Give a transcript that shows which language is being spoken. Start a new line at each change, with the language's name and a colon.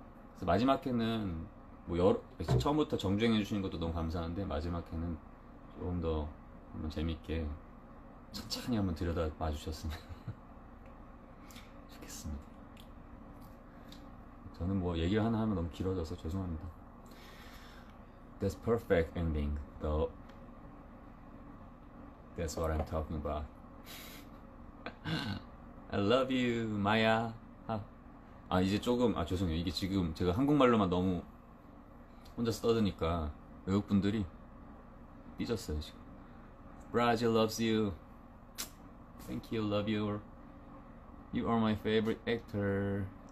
Korean: 그래서 마지막에는 뭐 여러 처음부터 정주행해 주시는 것도 너무 감사한데 마지막에는 조금 더 한번 재밌게 천천히 한번 들여다 봐 주셨으면 좋겠습니다. 저는 뭐 얘기를 하나 하면 너무 길어져서 죄송합니다.
English: That's perfect ending, though. That's what I'm talking about. I love you, Maya.
Korean: 아, 이제 조금, 아, 죄송해요. 이게 지금 제가 한국말로만 너무 혼자서 떠드니까 외국분들이 삐졌어요, 지금.
English: Brazil loves you. Thank you, love you. You are my favorite actor.